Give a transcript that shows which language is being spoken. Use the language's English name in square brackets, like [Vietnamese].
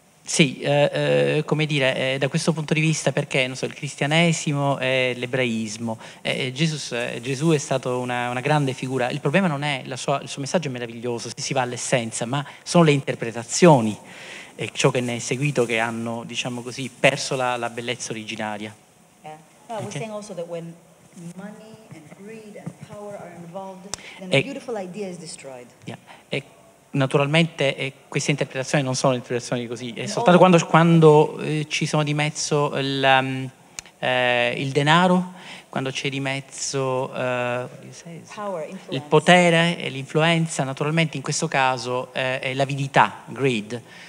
[Italian] Sì, come dire, da questo punto di vista, perché non so, il cristianesimo e l'ebraismo, Gesù è stato una grande figura. Il problema non è il suo messaggio è meraviglioso, se si va all'essenza, ma sono le interpretazioni. E ciò che ne è seguito che hanno, diciamo così, perso la bellezza originaria. [English] Yeah. No, I was saying also that when money and greed and power are involved, then the beautiful idea is destroyed. [Italian] Yeah. E naturalmente queste interpretazioni non sono interpretazioni così, è soltanto quando ci sono di mezzo il denaro, quando c'è di mezzo [English] power, [Italian] il potere e l'influenza, naturalmente in questo caso è l'avidità, greed.